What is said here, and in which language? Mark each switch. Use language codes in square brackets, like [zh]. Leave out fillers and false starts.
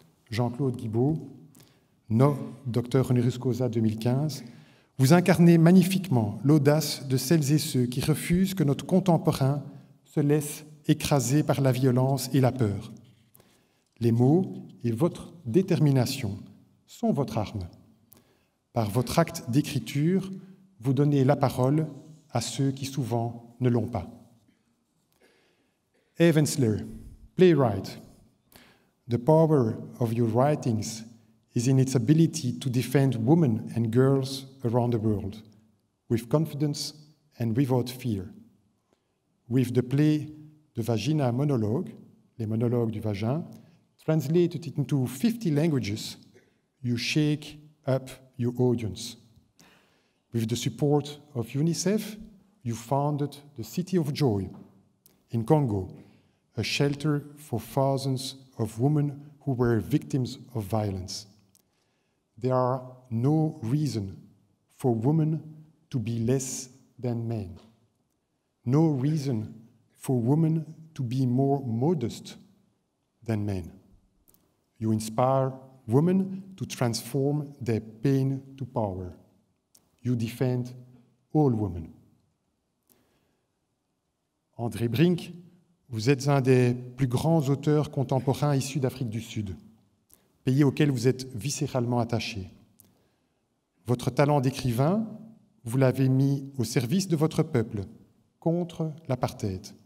[fr] Jean-Claude Guibaud, No, Dr. Honoris Causa 2015, vous incarnez magnifiquement l'audace de celles et ceux qui refusent que notre contemporain se laisse écraser par la violence et la peur. Les mots et votre détermination sont votre arme. Par votre acte d'écriture, vous donnez la parole à ceux qui souvent ne l'ont pas. [en] Evansler, playwright. The power of your writings is in its ability to defend women and girls around the world with confidence and without fear. With the play The Vagina Monologue, Les Monologues du Vagin, translated into 50 languages, you shake up your audience. With the support of UNICEF, you founded the City of Joy in Congo, a shelter for thousands of women who were victims of violence. There are no reason for women to be less than men. No reason for women to be more modest than men. You inspire women to transform their pain to power. You defend all women. [fr] André Brink, vous êtes un des plus grands auteurs contemporains issus d'Afrique du Sud, pays auquel vous êtes viscéralement attaché. Votre talent d'écrivain, vous l'avez mis au service de votre peuple, contre l'apartheid.